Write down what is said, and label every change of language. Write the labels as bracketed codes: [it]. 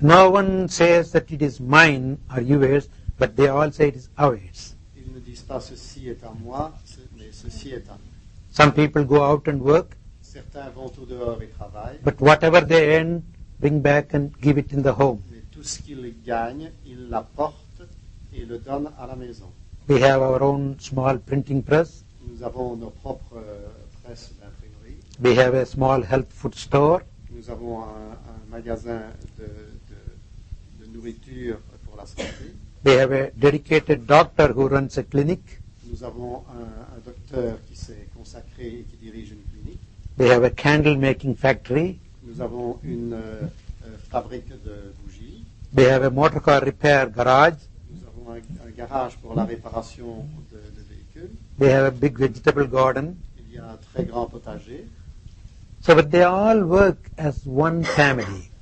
[en] No one says that it is mine or yours, but they all say it is ours. [fr] Ils ne disent pas ceci est à moi, mais ceci est à nous. [en] Some people go out and work. [fr] Certains vont tout dehors et travaillent. [en] But whatever they earn, bring back and give it in the home. [fr] Mais tout ce qu'ils gagnent, ils l'apportent et le donnent à la maison. [en] We have our own small printing press. [fr] Nous avons nos propres presses d'imprimerie. [en] We have a small health food store. [fr] Nous avons un magasin de nourriture pour la santé. [en] We have a dedicated doctor who runs a clinic. [fr] Nous avons un docteur qui s'est consacré et qui dirige une clinique. [en] They have a candle making factory. [fr] Nous avons une fabrique de bougies. [en] They have a motor car repair garage. [fr] Nous avons un garage pour la réparation de véhicules. [en] They have a big vegetable garden. [fr] Il y a un très grand potager. [en] So, but they all work as one family.